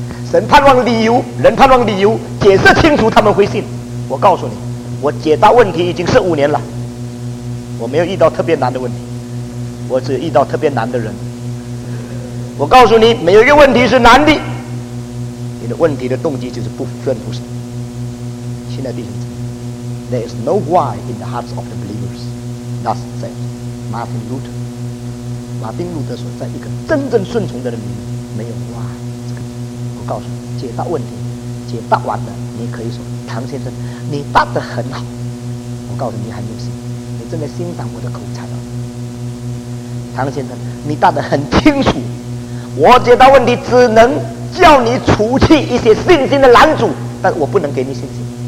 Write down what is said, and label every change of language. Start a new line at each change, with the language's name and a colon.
Chinese: 神盼望理由，人盼望理由，解释清楚他们会信。我告诉你，我解答问题已经是5年了，我没有遇到特别难的问题，我只遇到特别难的人。我告诉你，没有一个问题是难的。你的问题的动机就是不顺服神。亲爱的弟兄姊妹，
English: There is no why in the hearts of the believers. Thus said Martin Luther.
Chinese: 马丁路德说，在一个真正顺从的人里面，没有 why。这个我告诉你，解答问题，解答完了，你可以说，唐先生，你答得很好。我告诉你，很有心，你正在欣赏我的口才了。唐先生，你答得很清楚，我解答问题只能叫你除去一些信心的拦阻，但我不能给你信心。